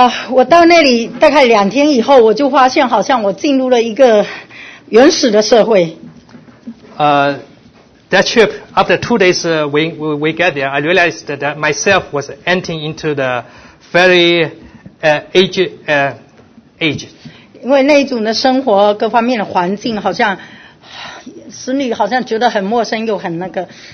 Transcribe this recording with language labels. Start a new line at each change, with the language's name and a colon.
Chinese: 我到那里大概两天以后，我就发现好像我进入了一个原始的社会。
English: That trip after 2 days, we get there, I realized that myself was entering into the very age.
Chinese: 因为那一种的生活各方面的环境，好像使你好像觉得很陌生又很那个。